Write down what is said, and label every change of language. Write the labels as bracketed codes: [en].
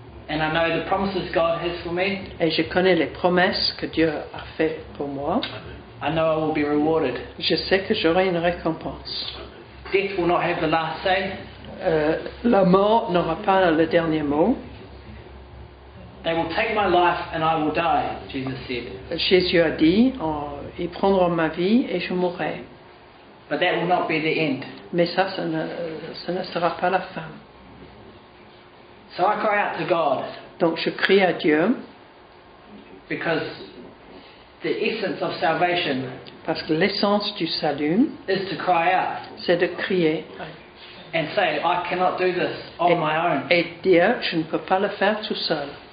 [en] And I know the promises God has for me. [fr] Et je connais les promesses que Dieu a fait pour moi. [en] I know I will be rewarded. [fr] Je sais que j'aurai une récompense. [en] Death will not have the last say. [fr] La mort n'aura pas le dernier mot. [en] They will take my life and I will die, Jesus said. [fr] Jésus a dit, oh, ils prendront ma vie et je mourrai. [en] But that will not be the end. [fr] Mais ça ne sera pas la fin. [en] So I cry out to God. [fr] Donc je crie à Dieu. [en] Because the essence of salvation. [fr] Parce que l'essence du salut. [en] Is to cry out. [fr] C'est de crier. [en] And say, I cannot do this on my own. [fr] Et dire, je ne peux pas le faire tout seul.